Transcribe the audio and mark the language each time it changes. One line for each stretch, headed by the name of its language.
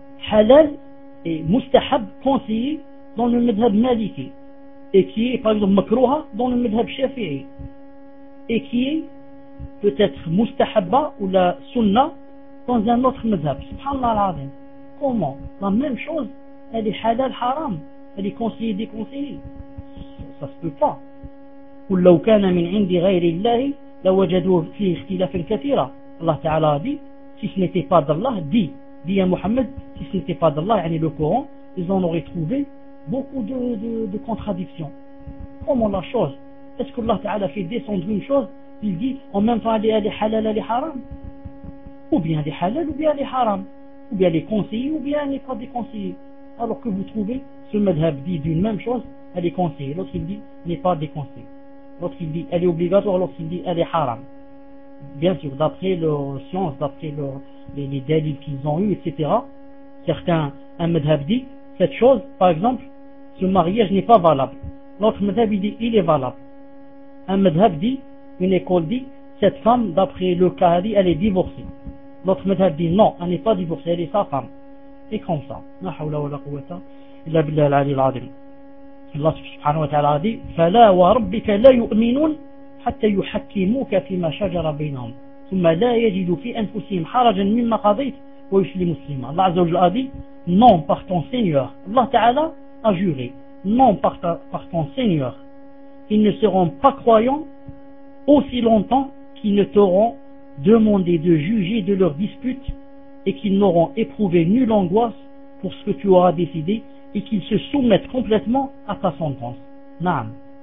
French: halal et mustahab conseillé dans le madhab maliki, et qui est par exemple makruha dans le madhab shafi'i, et qui est peut-être mustahabba ou la sunna dans un autre madhab. Subhanallah al-Azim. Comment? La même chose, elle est halal haram, elle est conseillée déconseillée. Ça se peut pas.
Arabic: Ou لو كان من عند غير الله لوجدوا فيه اختلافا كثيرا.
French: Allah Ta'ala a dit, si ce n'était pas d'Allah, dit à Muhammad, si ce n'était pas d'Allah, yani le Coran, ils en auraient trouvé beaucoup de contradictions. Comment la chose? Est-ce que Allah Ta'ala fait descendre une chose, il dit, en même temps, elle est halal, elle est haram? Ou bien elle est halal, ou bien elle est haram? Ou bien elle est conseillée, ou bien elle n'est pas déconseillée? Alors que vous trouvez, ce madhab dit d'une même chose, elle est conseillée. L'autre, il dit, n'est pas déconseillée. L'autre, il dit, elle est obligatoire, l'autre, il dit, elle est haram. Bien sûr, d'après leur science, d'après les délits qu'ils ont eus, etc., certains, un madhab dit, cette chose, par exemple, ce mariage n'est pas valable. L'autre madhab dit, il est valable. Un madhab dit, une école dit, cette femme, d'après le Kahari, elle est divorcée. L'autre madhab dit, non, elle n'est pas divorcée, elle est sa femme. Et comme ça,
Arabic: la hawla wa la quwata, illa billah al-ali al-adim. Allah subhanahu wa ta'ala a dit, فَلَا وَرَبِّكَ لَا يُؤْمِنُونَ حتى يحكموك فيما شجر بينهم ثم لا يجدوا في انفسهم حرجا مما قضيت ويسلموا تسليما.
French: الله عز وجل a dit, non par ton Seigneur, Allah Ta'ala a juré, non par ton Seigneur, ils ne seront pas croyants aussi longtemps qu'ils ne t'auront demandé de juger de leurs disputes et qu'ils n'auront éprouvé nulle angoisse pour ce que tu auras décidé et qu'ils se soumettent complètement à ta sentence. Naam.